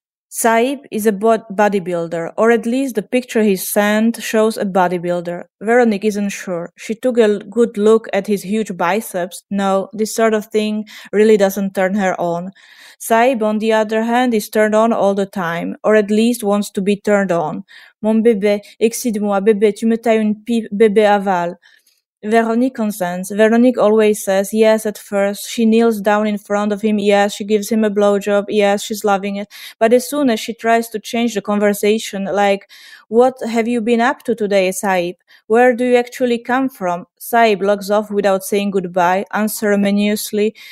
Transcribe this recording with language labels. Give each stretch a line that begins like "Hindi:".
English: Saib is a bodybuilder, or at least the picture he sent shows a bodybuilder. Veronique isn't sure. She took a good look at his huge biceps. No, this sort of thing really doesn't turn her on. Saib, on the other hand, is turned on all the time, or at least wants to be turned on.
French: Mon bébé, excite-moi, bébé, tu me tailles une pipe, bébé aval.
English: Veronique consents. Veronique always says yes at first. She kneels down in front of him. Yes, she gives him a blowjob. Yes, she's loving it. But as soon as she tries to change the conversation, like, what have you been up to today, Saib? Where do you actually come from? Saib logs off without saying goodbye, unceremoniously.